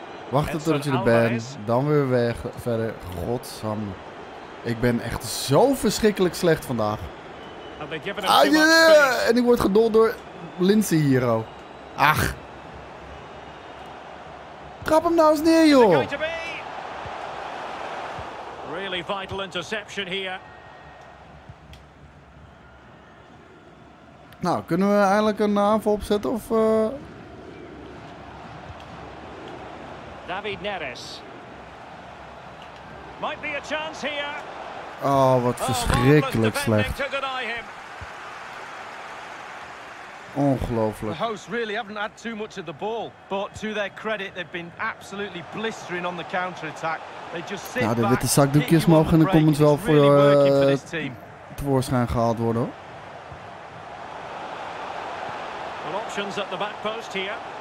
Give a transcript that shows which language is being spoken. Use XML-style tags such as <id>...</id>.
<nl>Wachten totdat je er bent, dan weer weg verder. Godsam. Ik ben echt zo verschrikkelijk slecht vandaag. Ah, yeah! En ik word gedold door Lindsay hier, oh. Ach. Trap hem nou eens neer, joh.</nl> <en>Really vital interception here.</en> <nl>Nou, kunnen we eindelijk een aanval opzetten of...</nl> <en>David Neres. Might be a chance here.</en> <nl>Oh, wat verschrikkelijk slecht. Ongelooflijk.</nl> <en>The hosts really haven't had too much of the ball, but to their credit, they've been absolutely blistering on the counter attack. They just sit back.</en> <nl>Nou, de witte zakdoekjes mogen in de comments wel voor tevoorschijn gehaald worden.</nl> <en>Well, options at the back post here.</en>